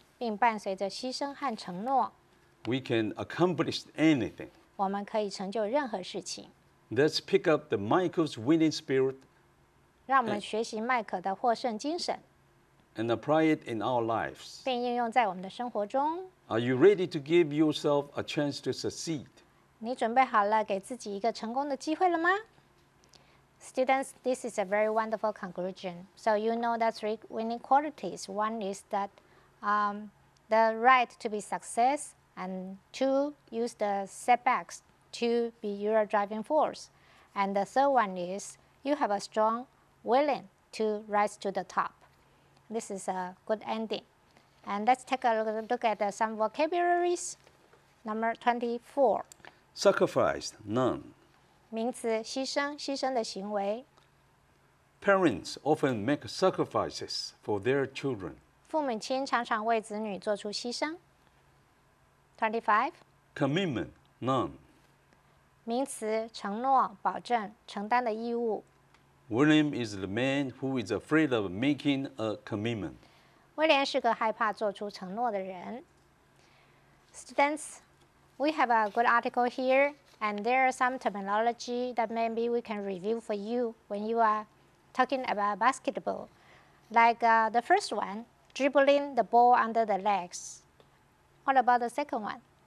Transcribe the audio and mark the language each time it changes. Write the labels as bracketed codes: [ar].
[zh] 并伴随着牺牲和承诺 [en] We can accomplish anything [zh] 我们可以成就任何事情 [en] Let's pick up the Michael's winning spirit. [zh] 让我们学习麦克的获胜精神 [en] and apply it in our lives. [zh] 并应用在我们的生活中 [en] Are you ready to give yourself a chance to succeed? [zh] 你准备好了给自己一个成功的机会了吗 [en] Students, this is a very wonderful conclusion. So you know the three winning qualities. One is that, the right to be success, and two, use the setbacks. To be your driving force. And the third one is you have a strong willing to rise to the top. This is a good ending. And let's take a look at some vocabularies. Number 24. Sacrifice, none. [zh] 名词牺牲牺牲的行为 [en] Parents often make sacrifices for their children. [zh] 父母亲常常为子女做出牺牲 25. [en] Commitment, none. [zh] 名词承诺保证承担的义务 [en] William is the man who is afraid of making a commitment [zh] 威廉是个害怕做出承诺的人 [en] Students, we have a good article here and there are some terminology that maybe we can review for you when you are talking about basketball like the first one, dribbling the ball under the legs What about the second one?